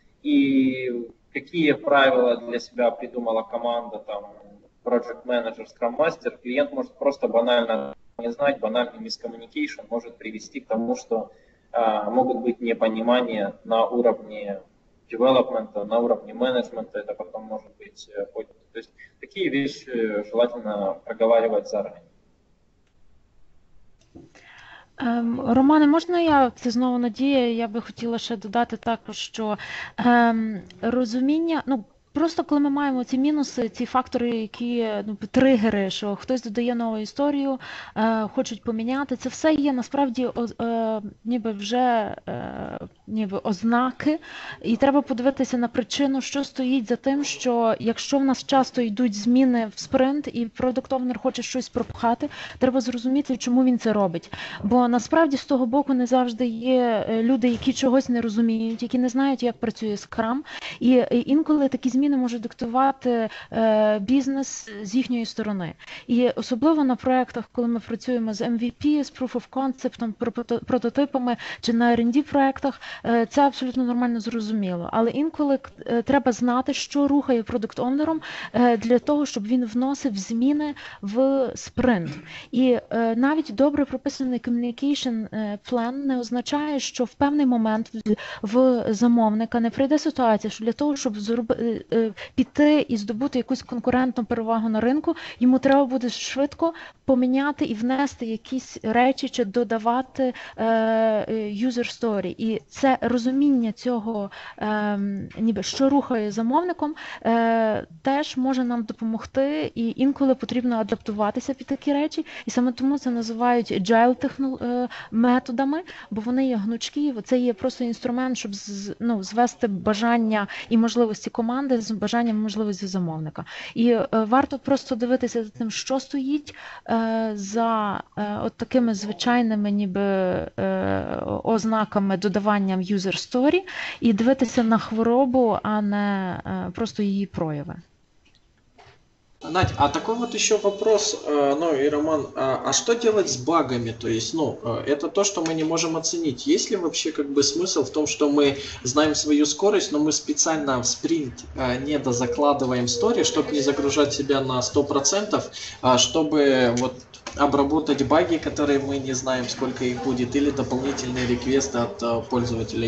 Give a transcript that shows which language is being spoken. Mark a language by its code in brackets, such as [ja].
[ru] И какие правила для себя придумала команда, там, project manager, scrum master, клиент может просто банально не знать, банальный мискоммуникейшн может привести к тому, что могут быть непонимания на уровне девелопмента, на уровне менеджмента, это потом может быть хоть. То есть такие вещи желательно проговаривать заранее. [uk] Романе, можна я, це знову Надія, я би хотіла ще додати також, що розуміння, ну, просто коли ми маємо ці мінуси, ці фактори, які, ну, тригери, що хтось додає нову історію, хочуть поміняти, це все є насправді ніби вже ознаки, і треба подивитися на причину, що стоїть за тим, що якщо в нас часто йдуть зміни в спринт і продуктовнер хоче щось пропхати, треба зрозуміти, чому він це робить. Бо насправді з того боку не завжди є люди, які чогось не розуміють, які не знають, як працює скрам, і інколи такі зміни може диктувати бізнес з їхньої сторони. І особливо на проєктах, коли ми працюємо з MVP, з Proof of Concept, прототипами, чи на R&D проєктах, це абсолютно нормально зрозуміло. Але інколи треба знати, що рухає продукт-онером для того, щоб він вносив зміни в спринт. І навіть добре прописаний communication plan не означає, що в певний момент в замовника не прийде ситуація, що для того, щоб зробити піти і здобути якусь конкурентну перевагу на ринку, йому треба буде швидко поміняти і внести якісь речі чи додавати user story. І це розуміння цього, ніби що рухає замовником, теж може нам допомогти, і інколи потрібно адаптуватися під такі речі. І саме тому це називають agile методами, бо вони є гнучкі. Це є просто інструмент, щоб звести бажання і можливості команди з бажанням можливості замовника. І варто просто дивитися за тим, що стоїть за от такими звичайними ніби ознаками додаванням user story, і дивитися на хворобу, а не просто її прояви. [ru] Надь, а такой вот еще вопрос, ну и Роман, а что делать с багами? То есть, ну, это то, что мы не можем оценить. Есть ли вообще как бы смысл в том, что мы знаем свою скорость, но мы специально в спринт недозакладываем стори, чтобы не загружать себя на 100%, чтобы вот обработать баги, которые мы не знаем, сколько их будет, или дополнительные реквесты от пользователя?